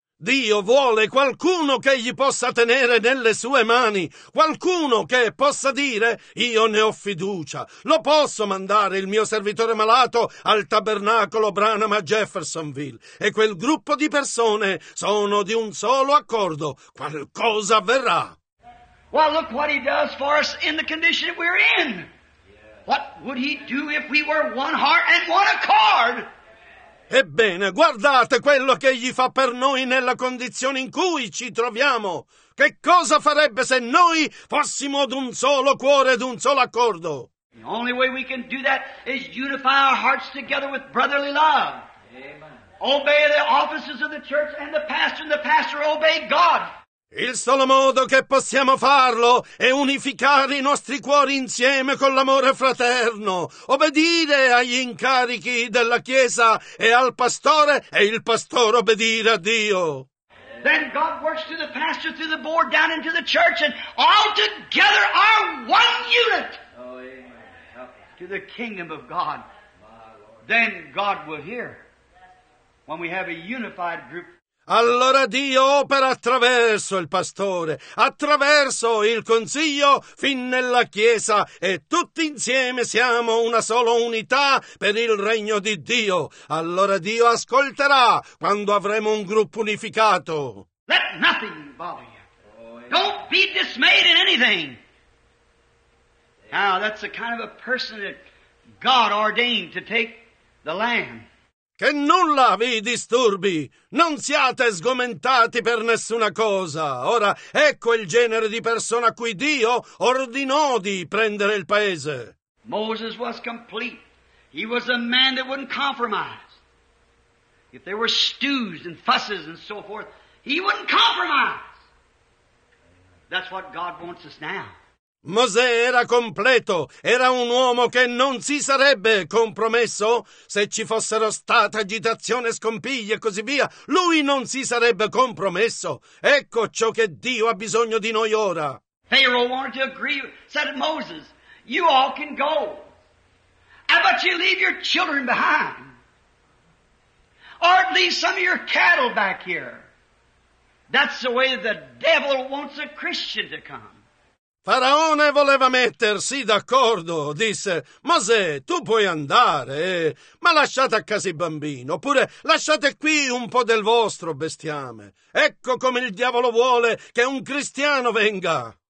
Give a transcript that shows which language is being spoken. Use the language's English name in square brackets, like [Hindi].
[Italian] Dio vuole qualcuno che gli possa tenere nelle sue mani, qualcuno che possa dire, io ne ho fiducia, lo posso mandare il mio servitore malato al tabernacolo Branham a Jeffersonville. E quel gruppo di persone sono di un solo accordo, qualcosa avverrà. [English] Well, look what he does for us in the condition we're in. What would he do if we were one heart and one accord? [Italian] Ebbene, guardate quello che egli fa per noi nella condizione in cui ci troviamo. Che cosa farebbe se noi fossimo ad un solo cuore, ad un solo accordo? [English] The only way we can do that is unify our hearts together with brotherly love. Amen. Obey the offices of the church and the pastor obey God. [Italian] Il solo modo che possiamo farlo è unificare i nostri cuori insieme con l'amore fraterno, obbedire agli incarichi della Chiesa e al pastore, e il pastore obbedire a Dio. [English] Then God works through the pastor, through the board, down into the church, and all together are one unit. Oh, amen. To the kingdom of God. Then God will hear when we have a unified group. [Italian] Allora Dio opera attraverso il pastore, attraverso il consiglio, fin nella chiesa, e tutti insieme siamo una sola unità per il regno di Dio. Allora Dio ascolterà quando avremo un gruppo unificato. [English] Let nothing bother you. Don't be dismayed in anything. Now that's the kind of a person that God ordained to take the lamb. [Italian] che nulla vi disturbi, non siate sgomentati per nessuna cosa. Ora, ecco il genere di persona a cui Dio ordinò di prendere il paese. [English] Moses was complete. He was a man that wouldn't compromise. If there were stews and fusses and so forth, he wouldn't compromise. That's what God wants us now. [Italian] Mosè era completo, era un uomo che non si sarebbe compromesso se ci fossero state agitazioni, scompiglie e così via. Lui non si sarebbe compromesso. Ecco ciò che Dio ha bisogno di noi ora. [English] Pharaoh wanted to agree, said to Moses, you all can go. How about you leave your children behind? Or at least some of your cattle back here. That's the way the devil wants a Christian to come. [Italian] Faraone voleva mettersi d'accordo, disse, Mosè, tu puoi andare, ma lasciate a casa i bambini, oppure lasciate qui un po' del vostro bestiame. Ecco come il diavolo vuole che un cristiano venga.